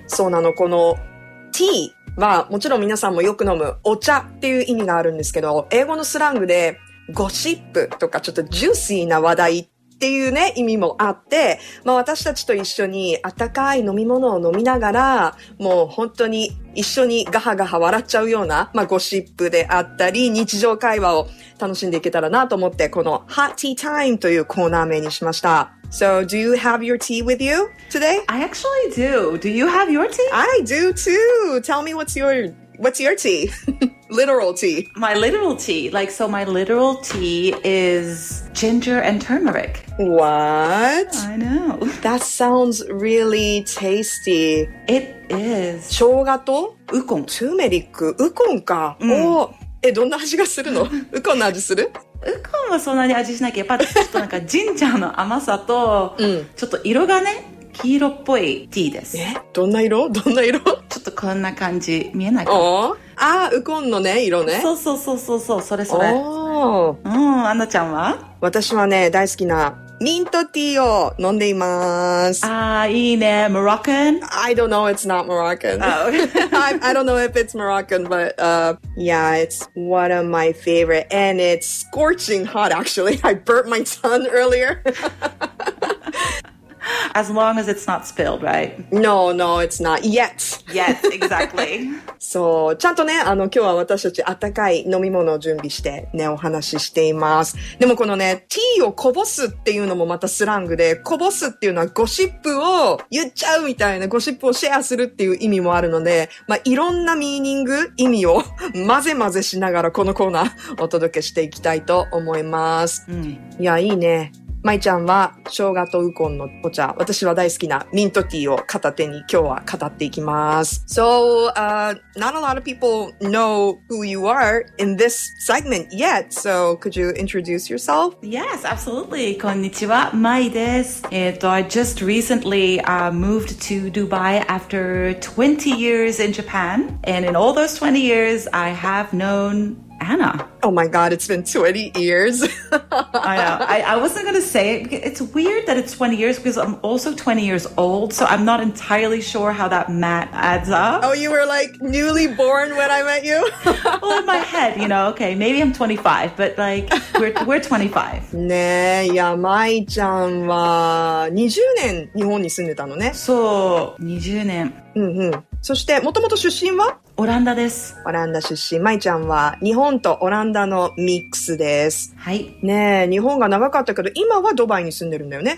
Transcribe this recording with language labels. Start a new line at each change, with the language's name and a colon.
Japanese: そうなの、このティーはもちろん皆さんもよく飲むお茶っていう意味があるんですけど、英語のスラングでゴシップとかちょっとジューシーな話題っていうね意味もあって、まあ私たちと一緒に温かい飲み物を飲みながら、もう本当に一緒にガハガハ笑っちゃうようなまあゴシップであったり日常会話を楽しんでいけたらなと思って、この Hot Tea Time というコーナー名にしました。
English: So do you have your tea with you today? I actually do. Do you have your tea? I do too. Tell me what's your tea? Literal tea. My literal tea. Like, so my literal tea is ginger and turmeric. What? I know. That sounds really tasty. It is.
Japanese: 生姜とウコン。 Turmeric. ウコンか。お、どんな味がするの？ウコンの味する？ウコンはそんなに味しないけど、やっぱちょっとなんかジンジャーの甘さと、ちょっと色がね、黄色っぽいティーです。え？どんな色？どんな色？ちょっとこんな感じ見えないかな。ああ、ウコンのね色ね。そうそうそうそうそう、それそれ。おお。うん、アンナちゃんは？私はね、大好きなミントティーを飲んでいます。ああ、いいね。モロッカン？
English: I don't know. It's not Moroccan. I don't know if it's Moroccan, but yeah, it's one of my favorite. And it's scorching hot. Actually, I burnt my tongue earlier. As long as it's not spilled, right? No, no, it's not yet. Yet, exactly.
Japanese: そう、ちゃんとね、今日は私たち温かい飲み物を準備してね、お話ししています。でもこのね、ティーをこぼすっていうのもまたスラングで、こぼすっていうのはゴシップを言っちゃうみたいな、ゴシップをシェアするっていう意味もあるので、まあ、いろんなミーニング、意味を混ぜ混ぜしながらこのコーナーお届けしていきたいと思います。うん、いや、いいね。まいちゃんは生姜とウコンのお茶、私は大好きなミントティーを片手に今日は語っていきます。
English: So not a lot of people know who you are in this segment yet, so could you introduce yourself? Yes, absolutely.
Japanese: こんにちは、まいです。
English: I just recently moved to Dubai after 20 years in Japan, and in all those 20 years I have knownAnna. Oh my god, it's been 20 years. I know. I wasn't going to say it. It's weird that it's 20 years because I'm also 20 years old, so I'm not entirely sure how that math adds up. Oh, you were like newly born when I met you? Well, in my head, you know, okay, maybe I'm 25, but like, we're 25.
Japanese: ねえ、いや、まいちゃんは20年日本に住んでたのね。そう、20年。うんうん。そして、もともと出身は？オランダです。オランダ出身。まいちゃんは日本とオランダのミックスです。はい。ねえ、日本が長かったけど、今はドバイに住んでるんだよね。